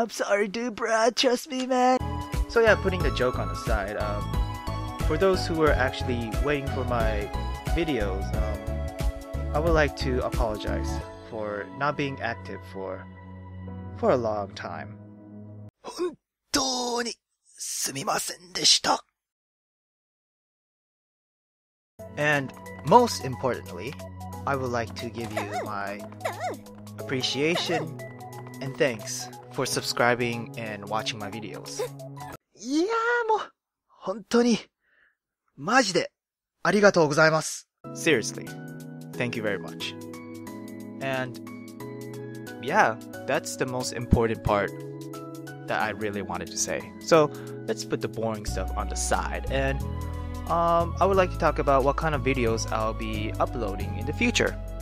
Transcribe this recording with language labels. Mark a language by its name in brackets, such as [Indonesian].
[English] I'm sorry, dude, bruh. Trust me, man. So yeah, putting the joke on the side, for those who were actually waiting for my videos, I would like to apologize for not being active for a long time. [Japanese] 本当にすみませんでした。 [English] And most importantly, I would like to give you my appreciation and thanks for subscribing and watching my videos. [Japanese] Yeah, もう本当にマジでありがとうございます。 [English] Seriously, thank you very much. And yeah, that's the most important part that I really wanted to say. So let's put the boring stuff on the side and I would like to talk about what kind of videos I'll be uploading in the future.